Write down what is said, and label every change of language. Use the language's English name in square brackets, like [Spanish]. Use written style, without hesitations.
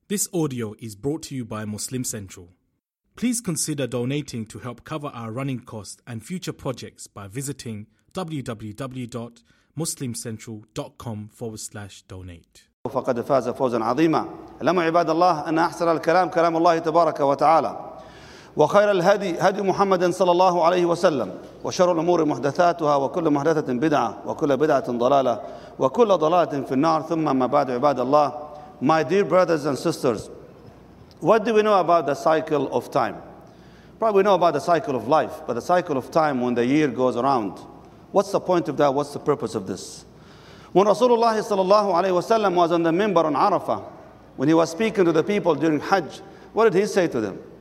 [English] This audio is brought to you by Muslim Central. Please consider donating to help cover our running costs and future projects by visiting www.muslimcentral.com/donate. [Arabic] فقد فاز فوزا عظيما. اعلموا عباد الله ان احسن الكلام كلام الله تبارك وتعالى. وخير الهدي هدي محمد صلى الله عليه وسلم. وشر الامور محدثاتها وكل محدثة بدعة وكل بدعة ضلالة وكل ضلالة في النار ثم ما بعد عباد الله. [English] My dear brothers and sisters, what do we know about the cycle of time? Probably we know about the cycle of life, but the cycle of time when the year goes around, what's the point of that? What's the purpose of this? When Rasulullah sallallahu alayhi wasallam was on the minbar on Arafah, when he was speaking to the people during Hajj, what did he say to them?